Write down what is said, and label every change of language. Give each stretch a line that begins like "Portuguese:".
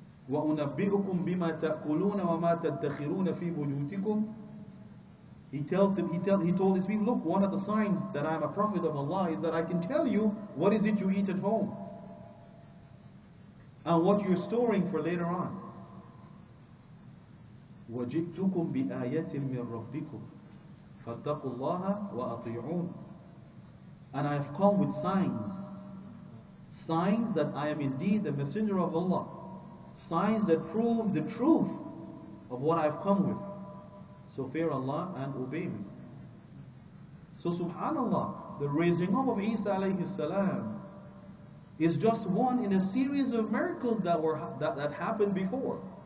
Arabic: وَأُنَبِّئُكُمْ بِمَا تَأْكُلُونَ وَمَا تَدَّخِرُونَ فِي بُيُوتِكُمْ
English: He tells them, he told his people, look, one of the signs that I'm a prophet of Allah is that I can tell you what is it you eat at home and what you're storing for later on.
Arabic: وَجِئْتُكُمْ بِآيَةٍ مِّن رَبِّكُمْ فَاتَّقُوا اللَّهَ وَأَطِيعُونَ
English: And I have come with signs. Signs that I am indeed the messenger of Allah. Signs that prove the truth of what I've come with. So fear Allah and obey me. So subhanAllah, the raising up of Isa alayhi salam is just one in a series of miracles that were that happened before.